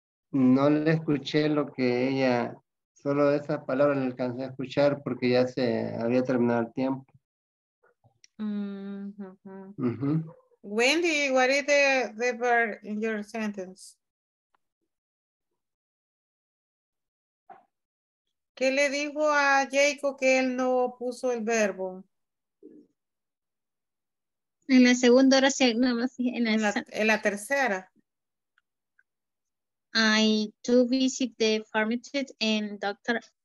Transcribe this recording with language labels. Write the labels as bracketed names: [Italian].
[Spanish] No le escuché lo que ella, solo esa palabra le alcancé a escuchar porque ya se había terminado el tiempo. [English] Wendy, what is the verb in your sentence? [Spanish] ¿Qué le dijo a Jacob que él no puso el verbo? En la segunda oración, no, en la tercera. [English] I to visit the pharmacy and doctor.